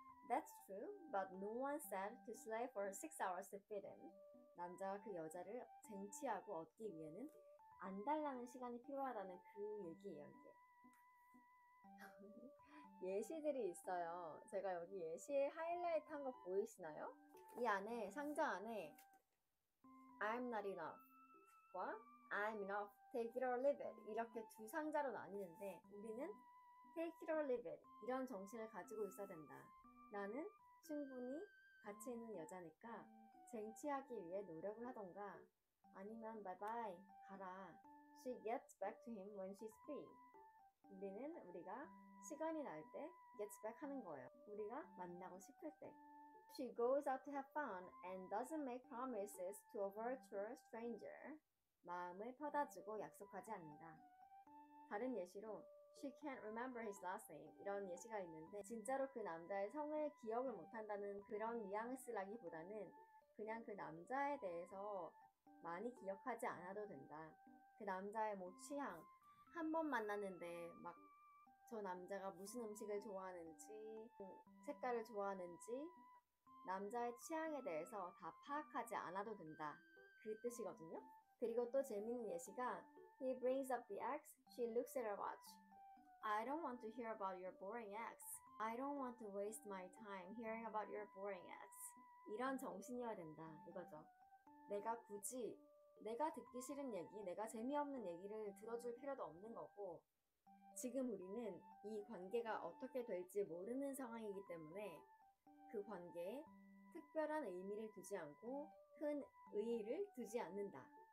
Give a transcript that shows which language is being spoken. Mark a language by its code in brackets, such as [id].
[en] That's true, but no one said to slave for 6 hours to feed him. [ko] 남자가 그 여자를 쟁취하고 얻기 위해는 안달라는 시간이 필요하다는 그 얘기예요, 이게. 예시들이 있어요. 제가 여기 예시에 하이라이트 한 거 보이시나요? 이 안에, 상자 안에 [en] I'm not enough [ko] 과 [en] I'm enough, take it or leave it [ko] 이렇게 두 상자로 나뉘는데, 우리는 [en] take it or leave it [ko] 이런 정신을 가지고 있어야 된다. 나는 충분히 가치 있는 여자니까 쟁취하기 위해 노력을 하던가, 아니면 bye bye 가라. [en] She gets back to him when she's free. [ko] 우리는 우리가 시간이 날 때 [en] gets back [ko] 하는 거예요. 우리가 만나고 싶을 때. [en] She goes out to have fun and doesn't make promises to a virtual stranger. [ko] 마음을 퍼다주고 약속하지 않는다. 다른 예시로 [en] She can't remember his last name [ko] 이런 예시가 있는데, 진짜로 그 남자의 성을 기억을 못한다는 그런 뉘앙스라기보다는 그냥 그 남자에 대해서 많이 기억하지 않아도 된다. 그 남자의 뭐 취향, 한 번 만났는데 막 저 남자가 무슨 음식을 좋아하는지, 색깔을 좋아하는지, 남자의 취향에 대해서 다 파악하지 않아도 된다, 그 뜻이거든요. 그리고 또 재밌는 예시가 [en] He brings up the ex, she looks at her watch. I don't want to hear about your boring ex. I don't want to waste my time hearing about your boring ex. [ko] 이런 정신이어야 된다, 이거죠. 내가 굳이 내가 듣기 싫은 얘기, 내가 재미없는 얘기를 들어줄 필요도 없는 거고, 지금 우리는 이 관계가 어떻게 될지 모르는 상황이기 때문에 그 관계에 특별한 의미를 두지 않고 큰 의의를 두지 않는다.